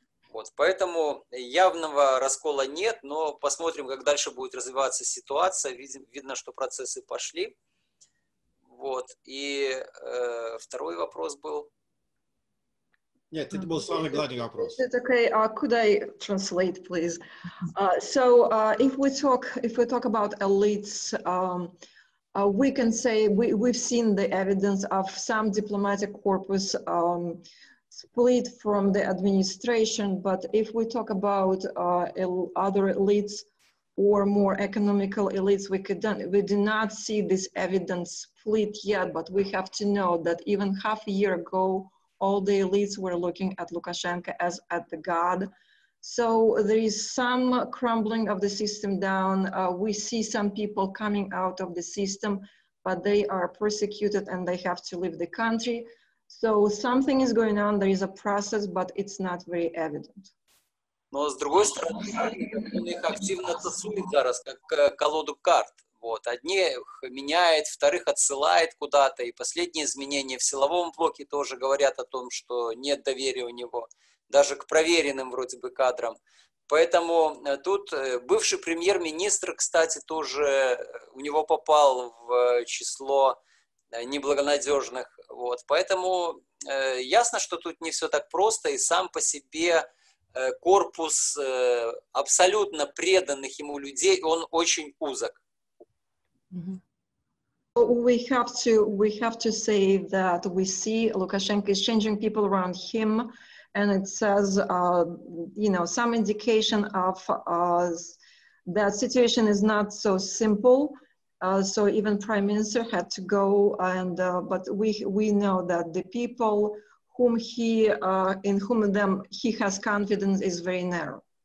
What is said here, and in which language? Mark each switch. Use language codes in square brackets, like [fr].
[ru] Вот, поэтому явного раскола нет, но посмотрим, как дальше будет развиваться ситуация. Видно, что процессы пошли. Вот, и второй вопрос был. Нет, это был самый главный вопрос. [en] It's okay. Could I translate, please? So, if we talk about elites, we can say we've seen the evidence of some diplomatic corpus split from the administration, but if we talk about other elites or more economical elites, we did not see this evidence split yet, but we have to know that even half a year ago, all the elites were looking at Lukashenko as at the god. So there is some crumbling of the system down. We see some people coming out of the system, but they are persecuted and they have to leave the country. So something is going on, there is a process, but it's not very evident. [ru] Но с другой стороны, они активно тасуют зараз, как колоду карт. Вот. Одних меняет, вторых отсылает куда-то, и последние изменения в силовом блоке тоже говорят о том, что нет доверия у него, даже к проверенным вроде бы кадрам. Поэтому тут бывший премьер-министр, кстати, тоже у него попал в число неблагонадежных. Вот, поэтому ясно, что тут не все так просто, и сам по себе корпус абсолютно преданных ему людей, он очень узок. Mm-hmm. [en] We have to say that we see Lukashenko is changing people around him, and it says, you know, some indication of that situation is not so simple. So even Prime Minister had to go, and but we know that the people whom he in whom them he has confidence is very narrow.